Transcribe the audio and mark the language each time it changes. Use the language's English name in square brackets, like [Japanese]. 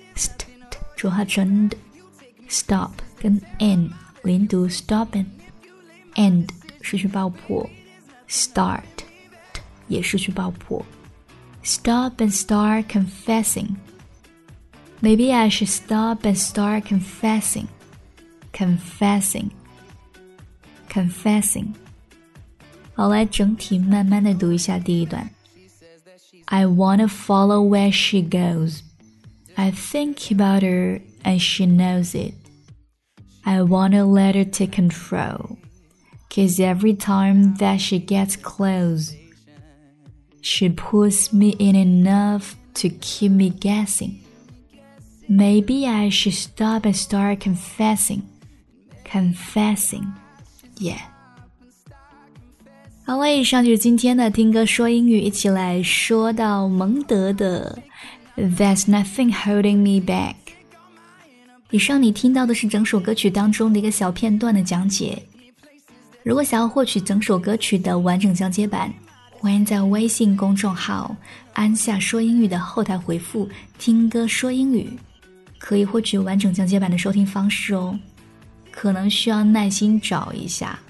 [English] St [Chinese] 浊化成 [English] d. Stop 跟 n 连读 Stop and end. [Chinese] 是去爆破 [English] Start [Chinese] 也是去爆破 [English] Stop and start confessing Maybe I should stop and start confessing Confessing confessing. [Chinese] 好，来整体慢慢的读一下第一段。 [English] I wanna follow where she goes. I think about her and she knows it. I wanna let her take control. Cause every time that she gets close, she pulls me in enough to keep me guessing. Maybe I should stop and start confessing. Confessing. Yeah. [Chinese] 好嘞，以上就是今天的听歌说英语，一起来说到蒙德的 There's nothing holding me back。以上你听到的是整首歌曲当中的一个小片段的讲解，如果想要获取整首歌曲的完整讲解版，欢迎在微信公众号安夏说英语的后台回复听歌说英语，可以获取完整讲解版的收听方式哦，可能需要耐心找一下。